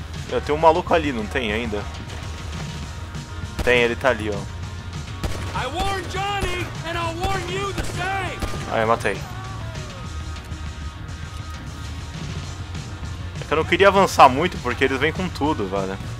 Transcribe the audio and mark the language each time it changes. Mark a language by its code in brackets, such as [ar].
[pt] Eu tenho um maluco ali, não tem ainda? Tem, ele tá ali, ó. [en] I warned Johnny and I'll warn you the same. [pt] Aí, matei. É que eu não queria avançar muito porque eles vêm com tudo, velho.